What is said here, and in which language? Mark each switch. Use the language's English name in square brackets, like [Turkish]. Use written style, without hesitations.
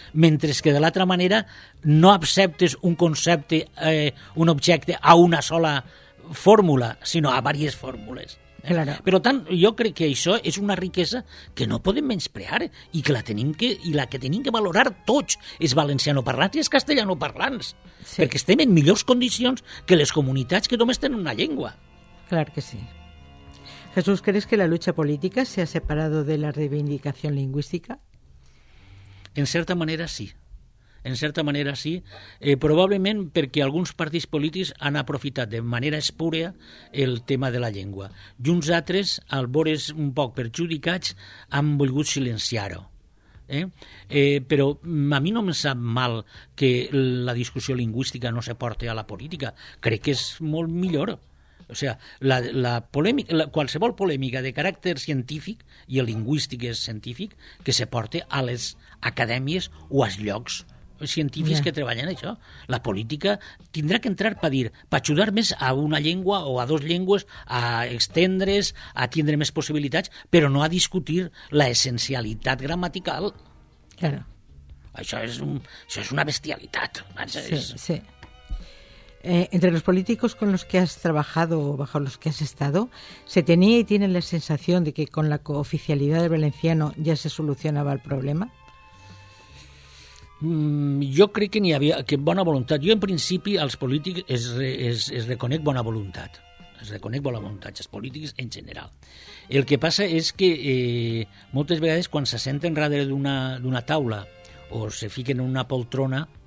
[Catalan] Mentre que, de l'altra manera, no acceptes un concepte, un objecte, a una sola fórmula, sinó a diverses fórmules. [Spanish] Claro. [Catalan] Per tant, jo crec que això és una riquesa que no podem menysprear i que la tenim que, i la que tenim que valorar tots els valencianoparlants i els castellanoparlants, sí. Perquè estem en millors condicions que les comunitats que només tenen una llengua. Clar que sí. [Spanish] Jesús, ¿crees que la lucha política se ha separado de la reivindicación lingüística? [Catalan] En certa manera sí. En certa manera sí, probablement perquè alguns partits polítics han aprofitat de manera espúria el tema de la llengua. I uns altres, al vores un poc perjudicats, han volgut silenciar-ho. Però a mi no em sap mal que la discussió lingüística no se porti a la política. Crec que és molt millor. O sea, la polèmica, qualsevol polèmica de caràcter científic, i el lingüístic és científic, que se porti a les acadèmies o als llocs científics, yeah, que treballen això. La política tindrà que entrar per ajudar més a una llengua o a dos llengües, a estendre's, a tindre més possibilitats, però no a discutir la essencialitat gramatical. [Spanish] Claro. [Catalan] Això és una bestialitat. Sí. [Spanish] Entre los políticos con los que has trabajado o bajo los que has estado, ¿se tenía y tienen la sensación de que con la cooficialidad del valenciano ya se solucionaba el problema? [Catalan] Jo crec que n'hi havia que bona voluntat. Jo, en principi, als polítics es reconec bona voluntat. Es reconec bona voluntat, als polítics en general. El que passa és que moltes vegades quan se senten darrere d'una taula o se fiquen en una poltrona,